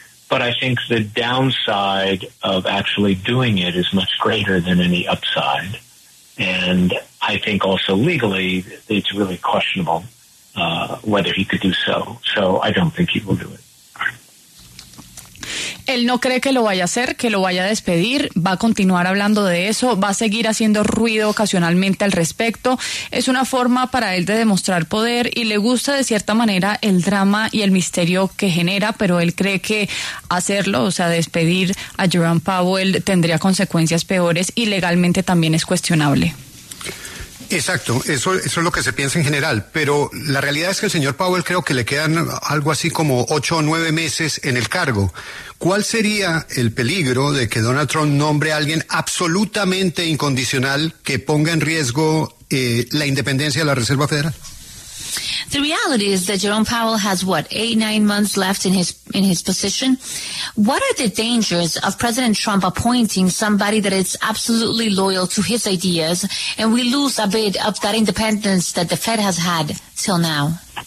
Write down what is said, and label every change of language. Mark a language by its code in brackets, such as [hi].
[en] But I think the downside of actually doing it is much greater than any upside. And I think also legally, it's really questionable whether he could do so. So I don't think he will do it. [es] Él no cree que lo vaya a hacer, que lo vaya a despedir, va a continuar hablando de eso, va a seguir haciendo ruido ocasionalmente al respecto. Es una forma para él de demostrar poder y le gusta de cierta manera el drama y el misterio que genera, pero él cree que hacerlo, o sea, despedir a Jerome Powell tendría consecuencias peores y legalmente también es cuestionable. Exacto, eso es lo que se piensa en general, pero la realidad es que el señor Powell creo que le quedan algo así como 8 o 9 meses en el cargo. ¿Cuál sería el peligro de que Donald Trump nombre a alguien absolutamente incondicional que ponga en riesgo la independencia de la Reserva Federal? [en] The reality is that Jerome Powell has, what, 8-9 months left in his position? What are the dangers of President Trump appointing somebody that is absolutely loyal to his ideas, and we lose a bit of that independence that the Fed has had till now?